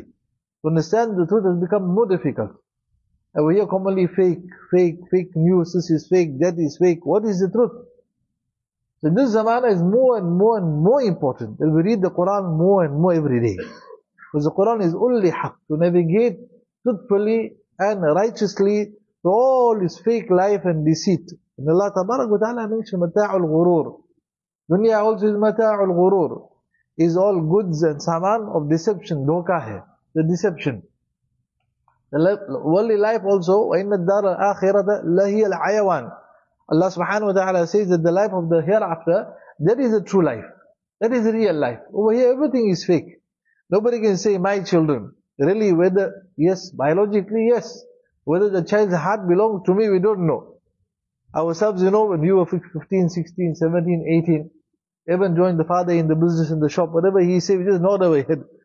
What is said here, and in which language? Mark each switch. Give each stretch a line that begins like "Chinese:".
English: To understand the truth has become more difficult. And we hear commonly fake news, this is fake, that is fake. What is the truth? So this zamana is more and more and more important. That we read the Quran more and more every day. Because the Quran is only haqq, to navigate truthfully and righteously through all this fake life and deceit.
Arabic: إن الله تبارك وتعالى
English: mentioned
Arabic: متاع الغرور.
English: Dunya also is
Arabic: متاع الغرور.
English: Is all goods and saman of deception,
Urdu: dhoka hai.
English: The deception. The worldly life also,
Arabic: وإن الدار الآخرة لهي الحيوان.
English: Allah subhanahu wa ta'ala says that the life of the hereafter, that is the true life. That is the real life. Over here everything is fake. Nobody can say my children. Really whether, yes, biologically yes. Whether the child's heart belongs to me, we don't know. Ourselves, you know, when you were 15, 16, 17, 18, even joined the father in the business, in the shop, whatever he says, we just nod our head.